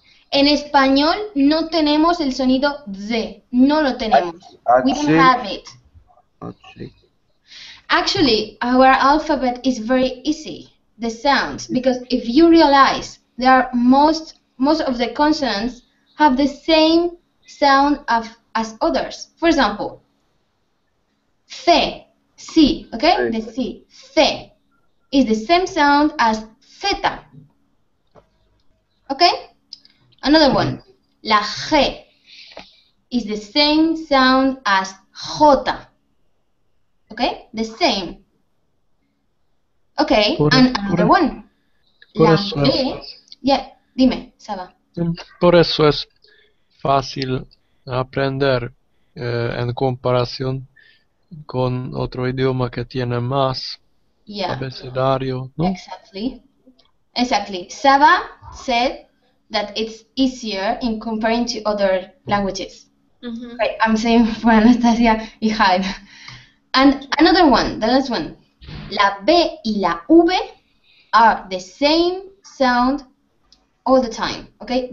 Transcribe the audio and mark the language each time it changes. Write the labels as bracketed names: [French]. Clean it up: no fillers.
[Spanish] En español no tenemos el sonido Z, no lo tenemos. H. [English] We don't have it. H. Actually, our alphabet is very easy, the sounds, because if you realize there are most of the consonants have the same sound as others. For example, C, C, okay? The C, C, is the same sound as Z. Okay? Another one. La G is the same sound as J. Okay? The same. Okay, and another one. La B, yeah, dime, Saba. [Spanish] Por eso es fácil aprender en comparación con otro idioma que tiene más abecedario, ¿no? [English] Exactly. Exactly. Saba said that it's easier in comparing to other languages. Mm-hmm. Right, I'm saying for Anastasia y Jaime. And another one, the last one. La B y la V are the same sound all the time, okay?